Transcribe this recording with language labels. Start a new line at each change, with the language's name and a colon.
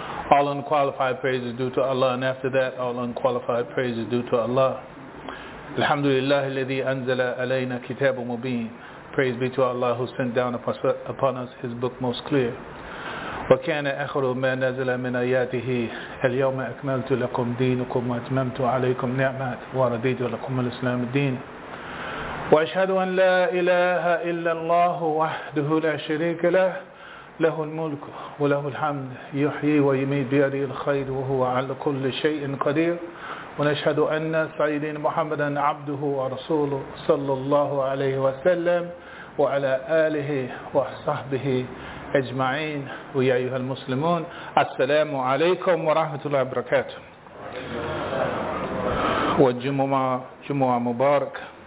English: All unqualified praise is due to Allah, and after that, all unqualified praise is due to Allah.
Arabic: Alhamdulillah, الذي أنزل علينا كتاب مبين.
English: Praise be to Allah who sent down upon us His book most clear.
Arabic: وكان آخر ما نزل من آياته اليوم أكملت لكم دينكم وأتممت عليكم نعمت ورديت لكم الإسلام الدين. وأشهد أن لا إله إلا الله وحده لا شريك له. له الملك وله الحمد يحيي ويميت بيده الخير وهو على كل شيء قدير ونشهد أن سيدنا محمدا عبده ورسوله صلى الله عليه وسلم وعلى آله وصحبه أجمعين ويا أيها المسلمون السلام عليكم ورحمة الله وبركاته والجمعة مبارك